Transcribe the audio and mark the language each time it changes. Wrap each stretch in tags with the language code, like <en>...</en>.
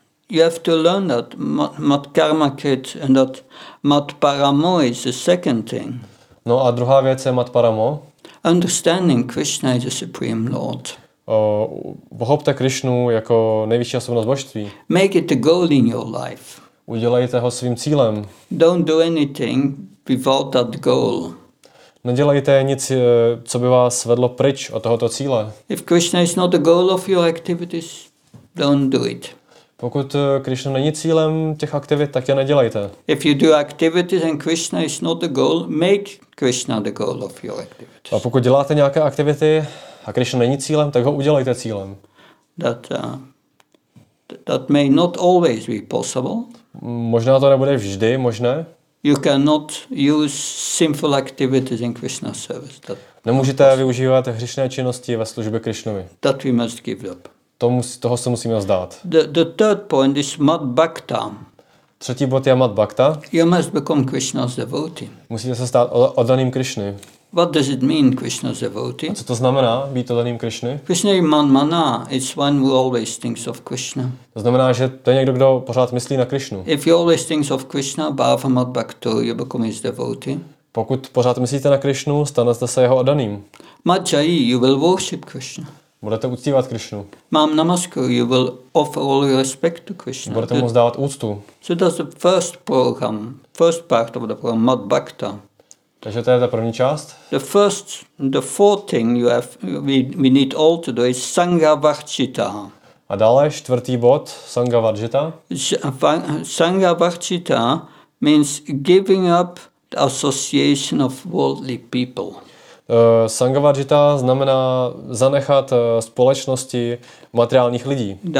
<en>You have to learn that mat karma krit and that mat paramo is the second thing.</en> <cs>No a druhá věc je mat paramo.</cs> <en>Understanding Krishna is the supreme lord.</en> <cs>Pochopte Krishnu jako nejvyšší osobnost božství.</cs> <en>Make it a goal in your life.</en> <cs>Udělejte ho svým cílem.</cs> <en>Don't do anything without that goal.</en> <cs>Nedělejte nic, co by vás vedlo pryč od tohoto cíle.</cs> <en>If Krishna is not the goal of your activities, don't do it.</en> <cs>Pokud Krishna není cílem těch aktivit, tak je nedělejte.</cs> <en>If you do activities and Krishna is not the goal, make Krishna the goal of your activities.</en> <cs>A pokud děláte nějaké aktivity a Krishna není cílem, tak ho udělejte cílem.</cs> <en>That may not always be possible.</en> <cs>Možná to nebude vždy možné.</cs> <en>You cannot use sinful activities in Krishna's service. That</en> <cs>nemůžete využívat hříšné činnosti ve službě Krishnovi.</cs> <en>That we must give up.</en> <cs>Toho se musíme vzdát.</cs> <en>The third point is mat bhakta.</en> <cs>Třetí bod je mat bhakta.</cs> <en>You must become Krishna's devotee.</en> <cs>Musíte se stát oddaným Krishny.</cs> <en>What does it mean Krishna's devotee?</en> <cs>A co to znamená být oddaným Krishny?</cs> <en>Krishna is man mana. It's one who always thinks of Krishna.</en> <cs>To znamená, že to je někdo, kdo pořád myslí na Krishnu.</cs> <en>If you always think of Krishna, bhava mat bhakta, you become his devotee.</en> <cs>Pokud pořád myslíte na Krishnu, stanete se jeho oddaným.</cs> <en>Matjai, you will worship Krishna.</en> <cs>Budete uctívat Krishnu.</cs> <en>Mám namasku, you will offer all your respect to Krishna.</en> <cs>Budete mu vzdávat úctu.</cs> <en>So that's the first program, first part of the program, mat bhakta.</en> <cs>Takže to je ta první část.</cs> <en>The fourth thing you have, we need all to do is sangha varchita.</en> <cs>A dále čtvrtý bod, sangha varchita.</cs> <en>Sangha varchita means giving up the association of worldly people.</en> <cs>Sangha varchita znamená zanechat společnosti materiálních lidí.</cs>